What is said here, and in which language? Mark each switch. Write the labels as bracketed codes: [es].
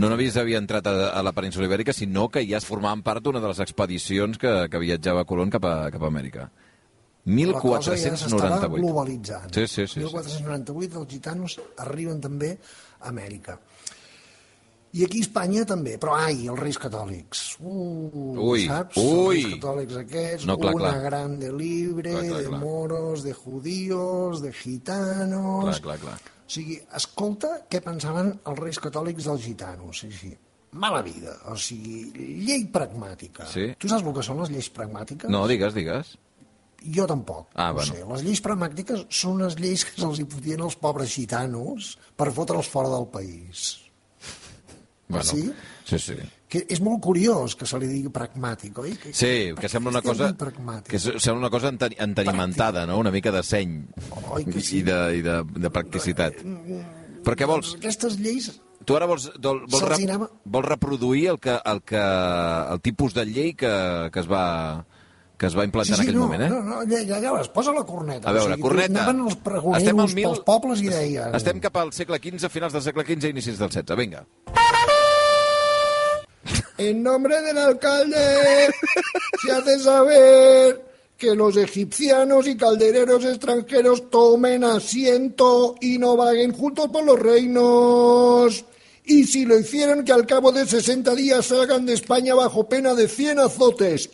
[ca] No només havia entrat a la península Ibèrica, sinó que ja es formaven part d'una de les expedicions que viatjava Colón cap a Amèrica. 1498. La cosa ja s'estava globalitzant. Sí, sí, sí. 1498, els gitanos arriben també a Amèrica. I aquí a Espanya també, però ai, els reis catòlics. Ui, saps? Ui. Els reis catòlics aquests, no, clar, una clar. Gran de libre, clar, de clar. [es] Moros, de judíos, de gitanos... [ca] Clar, clar, clar. O sigui, escolta què pensaven els reis catòlics dels gitanos. Sí, sí. Mala vida, o sigui, llei pragmàtica. Sí. Tu saps el que són les lleis pragmàtiques? No, digues. Jo tampoc. Ah, bueno. Sé. Les lleis pragmàtiques són les lleis que se'ls imposien als pobres gitanos per fotre'ls fora del país. Bueno, sí? Sí, sí. Que és molt curiós que se li digui pragmàtic, oi? Que sembla una cosa entenimentada, no? Una mica de seny sí. i de practicitat. Però què vols? Aquestes lleis... Tu ara vols reproduir el tipus de llei que es va implantar sí, en aquell moment, eh? No, ja veus, posa la corneta. A veure, o sigui, corneta. Anaven els pregoneros pels pobles i deien... Estem cap al segle XV, finals del segle XV i inicis del XVI. Vinga. [es] En nombre del alcalde se hace saber que los egipcianos y caldereros extranjeros tomen asiento y no vaguen juntos por los reinos. Y si lo hicieran, que al cabo de 60 días salgan de España bajo pena de 100 azotes.